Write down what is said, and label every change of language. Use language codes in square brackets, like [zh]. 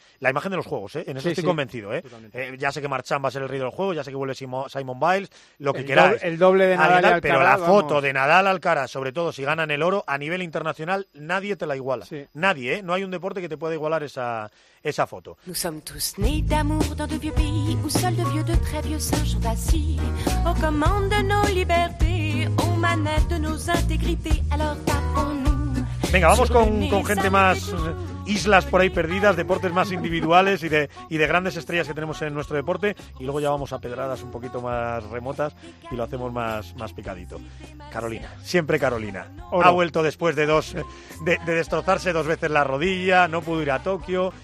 [es] La imagen de los juegos, ¿eh? En eso estoy convencido, ¿eh? Ya sé que Marchand va a ser el rey del juego, ya sé que vuelve Simon Biles, lo que queráis. El doble de Nadal Alcaraz. Pero la foto de Nadal Alcaraz, sobre todo si ganan el oro, a nivel internacional, nadie te la iguala. Sí. Nadie, ¿eh? No hay un deporte que te pueda igualar esa foto. [fr] Nous sommes tous nés d'amour dans de vieux pays où seuls de vieux, de très vieux singes sont assis aux commandes de nos libertés, aux manettes de nos intégrités. Alors tapons-nous. [es] Venga, vamos con gente más. Islas por ahí perdidas, deportes más individuales y de grandes estrellas que tenemos en nuestro deporte. Y luego ya vamos a pedradas un poquito más remotas y lo hacemos más picadito. Carolina, siempre Carolina. Oro. Ha vuelto después de destrozarse dos veces la rodilla, no pudo ir a Tokio.